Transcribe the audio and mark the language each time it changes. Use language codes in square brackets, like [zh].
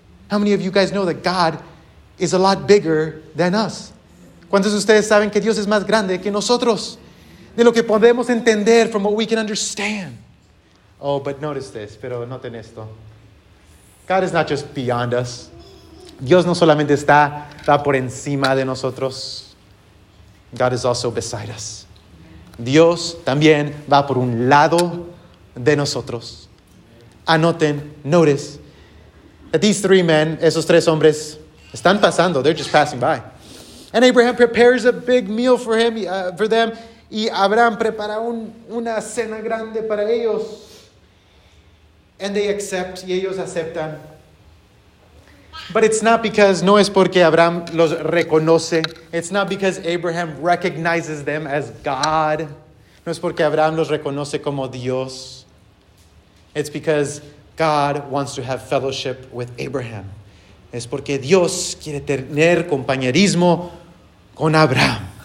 [en] How many of you guys know that God is a lot bigger than us? [es] ¿Cuántos de ustedes saben que Dios es más grande que nosotros? [en] De lo que podemos entender, from what we can understand. Oh, but notice this, pero noten esto. God is not just beyond us. Dios no solamente está por encima de nosotros. God is also beside us. [es] Dios también va por un lado de nosotros. [en] Anoten, notice. That these three men, esos tres hombres, están pasando. They're just passing by. And Abraham prepares a big meal for him, for them. [es] Y Abraham prepara una cena grande para ellos. And they accept, y ellos aceptan. But it's not because, no es porque Abraham los reconoce. [en] It's not because Abraham recognizes them as God. [es] No es porque Abraham los reconoce como Dios. [en] It's because God wants to have fellowship with Abraham. [es] Es porque Dios quiere tener compañerismo con Abraham.